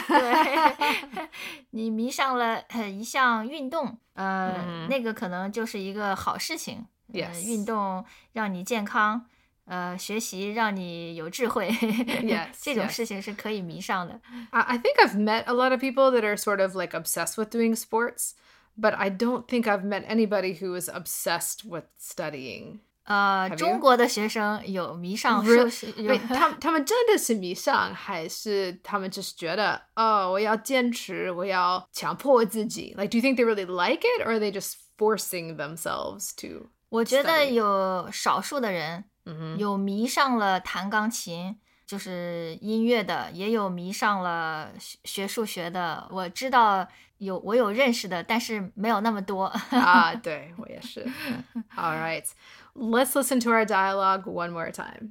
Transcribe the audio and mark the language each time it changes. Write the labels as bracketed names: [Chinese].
[Chinese] 对，你迷上了一项运动，那个可能就是一个好事情。运动让你健康，学习让你有智慧。这种事情是可以迷上的。 [English] I think I've met a lot of people that are sort of like obsessed with doing sports, but I don't think I've met anybody who is obsessed with studying. [Chinese] 中国的学生有迷上数学，他们真的是迷上，还是他们就是觉得，哦，我要坚持，我要强迫自己。 [English] Like, do you think they really like it, or are they just forcing themselves to study? [Chinese] 我觉得有少数的人有迷上了弹钢琴，就是音乐的，也有迷上了学数学的。我知道有，我有认识的，但是没有那么多。对，我也是。 [English] All right. Let's listen to our dialogue one more time.